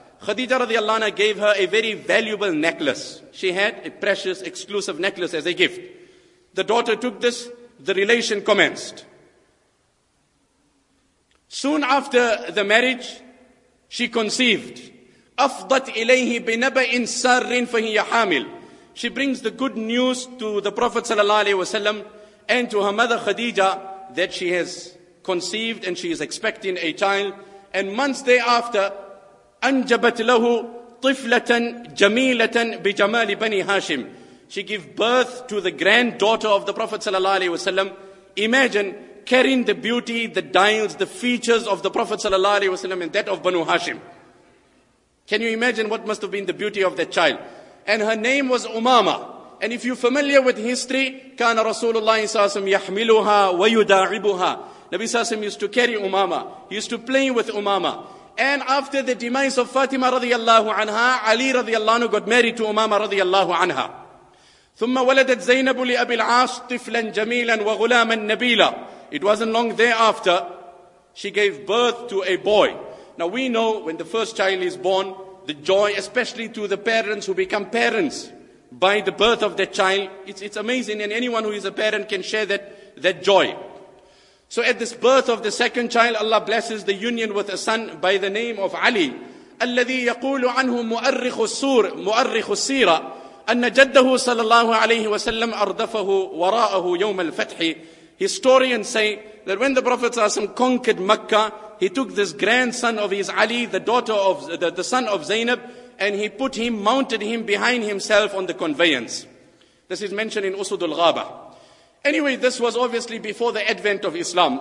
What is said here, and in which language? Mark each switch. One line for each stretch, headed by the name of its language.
English: Khadija radiallahu anha gave her a very valuable necklace. She had a precious, exclusive necklace as a gift. The daughter took this, the relation commenced. Soon after the marriage, she conceived.
Arabic: أفضت إليه بنبأ سار فهي حامل.
English: She brings the good news to the Prophet sallallahu alaihi wasallam and to her mother Khadija that she has conceived and she is expecting a child. And months thereafter,
Arabic: أنجبت له طفلة جميلة بجمال بني هاشم.
English: She gave birth to the granddaughter of the Prophet sallallahu alaihi wasallam. Imagine carrying the beauty, the dials, the features of the Prophet sallallahu alaihi wasallam and that of Banu Hashim. Can you imagine what must have been the beauty of that child? And her name was Umama. And if you're familiar with history,
Arabic: كان رسول الله صلى الله عليه وسلم يحملها ويداعبها.
English: Nabi صلى الله عليه وسلم used to carry Umama. He used to play with Umama. And after the demise of Fatima radiallahu anha, Ali radiallahu anhu got married to Umama radiallahu anha.
Arabic: ثم ولدت زينب لأبي العاص طفلا جميلا وغلاما نبيلا.
English: It wasn't long thereafter, she gave birth to a boy. Now we know when the first child is born, the joy, especially to the parents who become parents by the birth of that child, it's amazing, and anyone who is a parent can share that joy. So at this birth of the second child, Allah blesses the union with a son by the name of Ali.
Arabic: الذي يقول عنه مؤرخ السور مؤرخ السيرة أن جده صلى الله عليه وسلم أردفه وراءه يوم الفتح.
English: Historians say that when the Prophet ﷺ conquered Mecca, he took this grandson of his Ali, the son of Zainab, and he put him, mounted him behind himself on the conveyance. This is mentioned in Usud al-Ghaba. Anyway, this was obviously before the advent of Islam.